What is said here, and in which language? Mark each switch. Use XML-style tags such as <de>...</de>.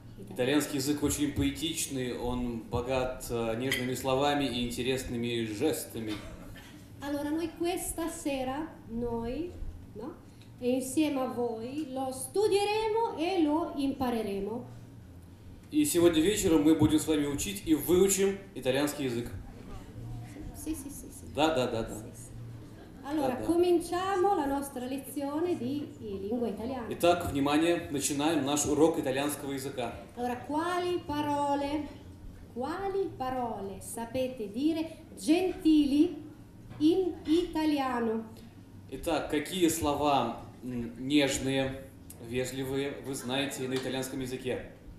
<ru>Итальянский язык очень поэтичный, он богат нежными словами и интересными жестами.</ru> <it>Allora, noi questa sera, noi, no? E insieme a voi, lo studieremo e lo impareremo.</it> <ru>И сегодня вечером мы будем с вами учить и выучим итальянский язык.</ru> <it>Sì, sì, sì, sì.</it> <ru>Да, да, да, да.</ru> <it>Allora, да, cominciamo la nostra lezione di lingua italiana.</it> <ru>Итак, внимание, начинаем наш урок итальянского языка.</ru> <it>Allora, quali parole sapete dire gentili in italiano?</it> <ru>Итак, какие слова нежные, вежливые вы знаете на итальянском языке?</ru>